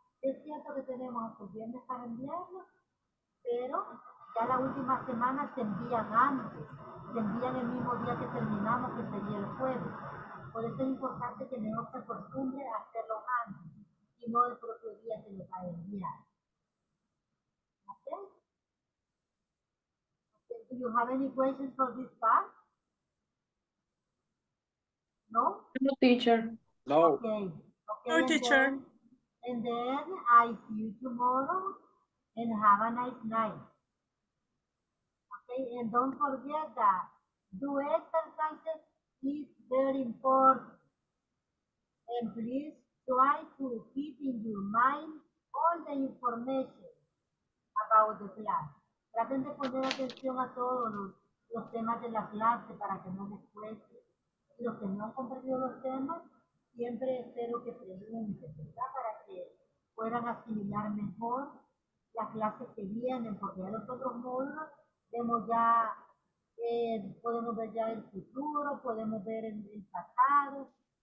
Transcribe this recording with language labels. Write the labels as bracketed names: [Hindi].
[Spanish] Es cierto que tenemos a sus viernes para enviarlo, pero ya la última semana se envían antes, se envían el mismo día que terminamos, que sería el jueves. Por eso es importante que tenemos la costumbre de hacerlo antes y no el propio día que lo va a enviar. [English] Do you have any questions for this part? No? No, teacher. No. Okay. No, teacher. And then I see you tomorrow and have a nice night. Okay, and don't forget that do exercises is very important. And please try to keep in your mind all the information about the class. [Spanish] Traten de poner atención a todos los temas de la clase para que no les cueste. Los que no han comprendido los temas, siempre espero que pregunten, ¿verdad? Para que puedan asimilar mejor las clases que vienen, porque ya los otros módulos vemos ya, podemos ver ya el futuro, podemos ver el pasado.